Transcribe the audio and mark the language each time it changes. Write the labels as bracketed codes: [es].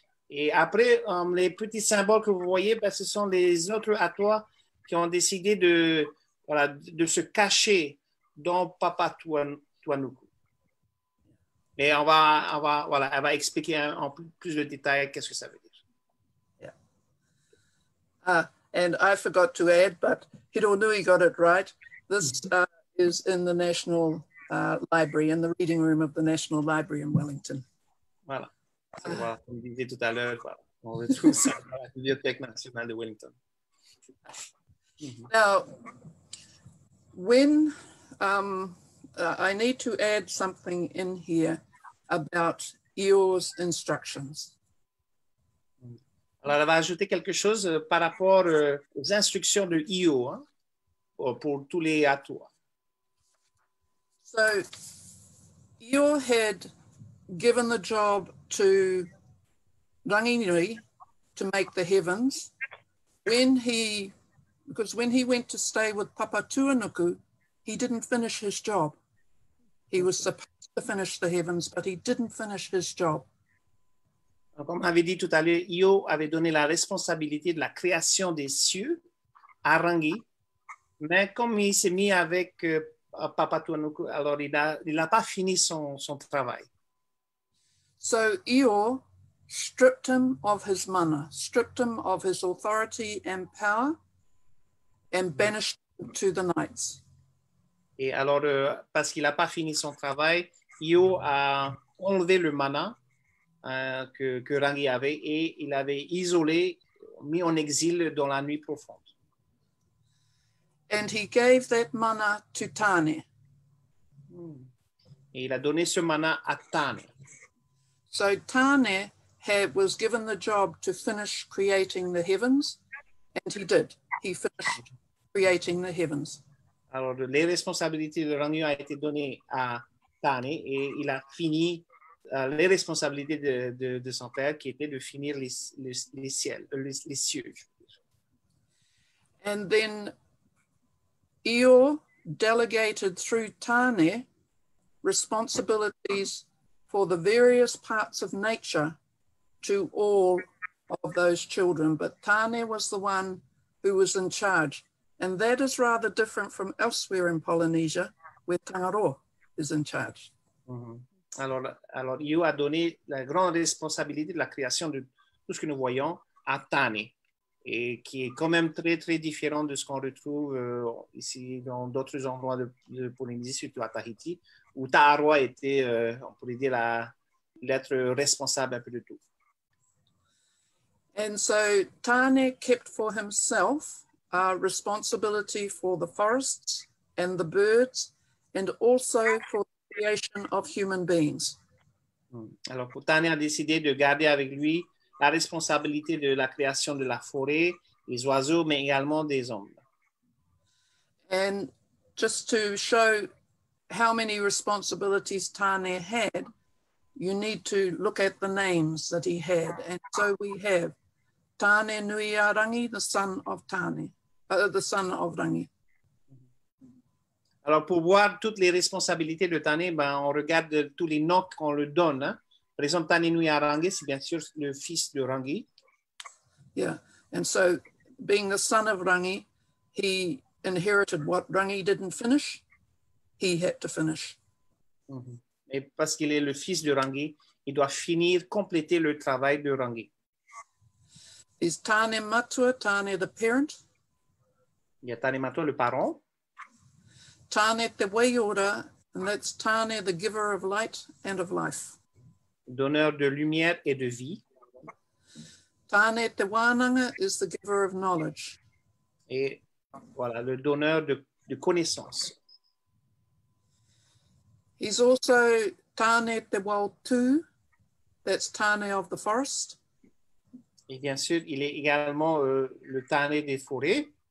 [fr] Et après, les petits symboles que vous voyez, ben, ce sont les autres Atua qui ont décidé de se cacher dans Papatuanuku. Mais on va expliquer en plus de détails qu'est-ce que ça veut dire. [en] Yeah. And I forgot to add, but Hironui got it right. This is in the National Library, in the reading room of the National Library in Wellington. [fr] Voilà. Comme je disais tout à l'heure, voilà. On retrouve ça à la Bibliothèque nationale de Wellington. [en] Now, when I need to add something in here about Eeyore's instructions. [fr] Alors, elle va ajouter quelque chose par rapport aux instructions de Eeyore, hein, pour tous les Atua. [en] So, Eeyore had given the job to Ranginui to make the heavens. When he went to stay with Papatuanuku, he didn't finish his job. He was supposed to finish the heavens, but he didn't finish his job. [fr] Comme on avait dit tout à l'heure, Io avait donné la responsabilité de la création des cieux à Rangi, mais comme il s'est mis avec Papatuanuku, alors il n'a pas fini son travail. [en] So Io stripped him of his mana, stripped him of his authority and power, and banished him to the nights. [fr] Et alors, parce qu'il n'a pas fini son travail, Io a enlevé le mana que Rangi avait, et il avait isolé, mis en exil dans la nuit profonde. [en] And he gave that mana to Tane. [fr] Et il a donné ce mana à Tane. [en] So Tane was given the job to finish creating the heavens, and he did. He finished creating the heavens. [fr] Alors, les responsabilités de Ranginui a été données à Tane, et il a fini les responsabilités de son père, qui était de finir les cieux. [en] And then Io delegated through Tane responsibilities for the various parts of nature to all of those children. But Tane was the one who was in charge. And that is rather different from elsewhere in Polynesia, where Tangaroa is in charge. Mm-hmm. [fr] Alors, Io a donné la grande responsabilité de la création de tout ce que nous voyons à Tane, et qui est quand même très, très différent de ce qu'on retrouve ici dans d'autres endroits de Polynésie, surtout à Tahiti, où Taharoa était, on pourrait dire, l'être responsable un peu de tout. [en] And so Tane kept for himself a responsibility for the forests and the birds, and also for the creation of human beings. [fr] Alors Tane a décidé de garder avec lui la responsabilité de la création de la forêt, les oiseaux, mais également des hommes. [en] And just to show how many responsibilities Tane had, you need to look at the names that he had. And so we have Tane Nui Arangi, the son of Tane, the son of Rangi. [fr] Alors pour voir toutes les responsabilités de Tane, ben on regarde tous les noms qu'on le donne. Hein. Par exemple, Tane Nui Arangi, c'est bien sûr le fils de Rangi. [en] Yeah, and so being the son of Rangi, he inherited what Rangi didn't finish. He had to finish. Mm-hmm. [fr] Et parce qu'il est le fils de Rangi, il doit finir, compléter le travail de Rangi. [en] Is Tane Matua, Tane the parent? [fr] Il y a Tane Matua, le parent. [en] Tane te Waiora, and that's Tane, the giver of light and of life. [fr] Donneur de lumière et de vie. [en] Tane te Wānanga is the giver of knowledge. [fr] Et voilà, le donneur de connaissance. [en] He's also Tane te Wautū, that's Tane of the forest. [fr] Et bien sûr, il est également le Tane des forêts.